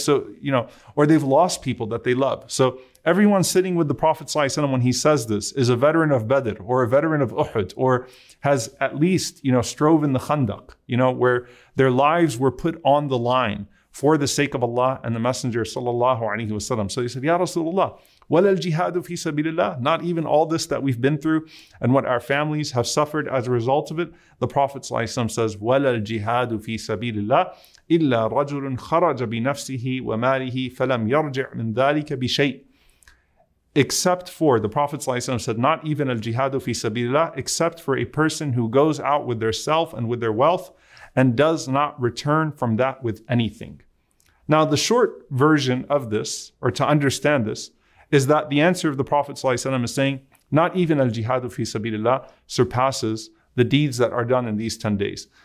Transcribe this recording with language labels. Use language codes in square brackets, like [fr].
[en] So, you know, or they've lost people that they love. So everyone sitting with the Prophet sallallahu alaihi wasallam when he says this is a veteran of Badr or a veteran of Uhud, or has at least, you know, strove in the Khandaq, you know, where their lives were put on the line for the sake of Allah and the Messenger sallallahu alaihi wasallam. So he said, Ya Rasulullah, [ar] وَلَا الْجِهَادُ فِي سَبِيلِ اللَّهِ, [en] not even all this that we've been through and what our families have suffered as a result of it. The Prophet ﷺ says, [ar] وَلَا الْجِهَادُ فِي سَبِيلِ اللَّهِ إِلَّا رَجُلٌ خَرَجَ بِنَفْسِهِ وَمَالِهِ فَلَمْ يَرْجِعْ مِنْ ذَلِكَ بِشَيْءٍ. [en] Except for, the Prophet ﷺ said, not even [ar] al-jihadu fi sabilillah, [en] except for a person who goes out with their self and with their wealth and does not return from that with anything. Now, the short version of this, or to understand this, is that the answer of the Prophet ﷺ is saying, not even [ar] al-jihadu fi sabilillah [en] surpasses the deeds that are done in these 10 days.